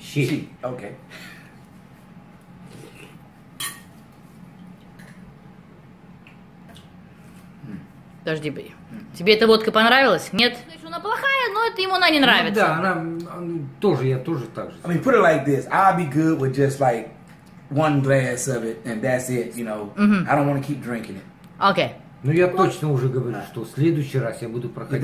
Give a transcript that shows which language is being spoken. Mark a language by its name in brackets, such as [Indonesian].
[Russian] Щи. Окей. Подожди, бери. Тебе эта водка понравилась? Нет? Она плохая, но это ему она не нравится. Ну, да, она тоже, я тоже так же. [English] I mean, put it like this. I'll be good with just like one glass of it, and that's it, you know. Mm-hmm. I don't want to keep drinking it. Okay. [Russian] Ну, я точно уже говорю, что в следующий раз я буду проходить.